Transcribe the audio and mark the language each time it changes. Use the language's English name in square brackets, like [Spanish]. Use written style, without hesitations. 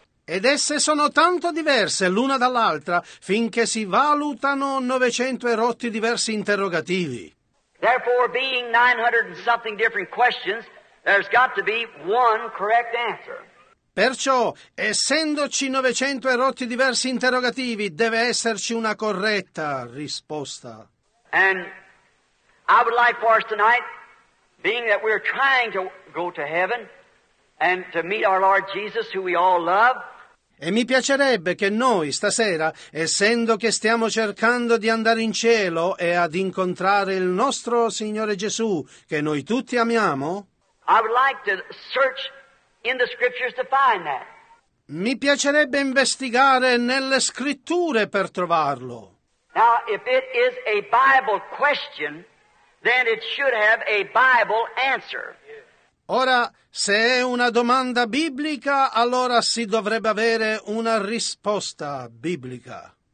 [Italian] Ed esse sono tanto diverse l'una dall'altra finché si valutano 900 e rotti diversi interrogativi. [English] Therefore, being 900 and something different questions, there's got to be one correct answer. [Italian] Perciò, essendoci 900 e rotti diversi interrogativi, deve esserci una corretta risposta. [English] And I would like for us tonight, being that we're trying to go to heaven and to meet our Lord Jesus, who we all love. [Italian] E mi piacerebbe che noi stasera, essendo che stiamo cercando di andare in cielo e ad incontrare il nostro Signore Gesù, che noi tutti amiamo, [English] I would like to search in the scriptures to find that. [Italian] Mi piacerebbe investigare nelle scritture per trovarlo. [English] Now, if it is a Bible question, then it should have a Bible answer. [Italian] Ora, se è una domanda biblica, allora si dovrebbe avere una risposta biblica.